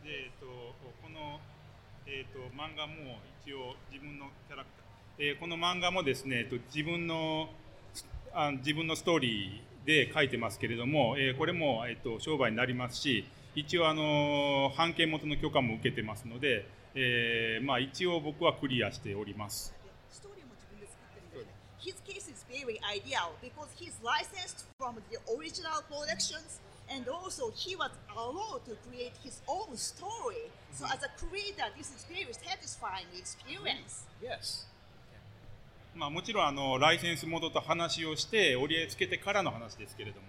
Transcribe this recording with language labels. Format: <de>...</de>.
<ja>で、この、漫画も一応自分のキャラクター、この漫画もですね、自分のストーリーで書いてますけれども、これも、商売になりますし、一応版権元の許可も受けてますので、まあ一応僕はクリアしております。ストーリーも自分で作ってるんで、</ja> <en>His case is very ideal because he's licensed from the original productions. And also, he was allowed to create his own story. So, as a creator, this is very satisfying experience. Yes. Okay.</en> <ja>まあもちろんライセンス元と話をして折り合いつけてからの話ですけれども。</ja>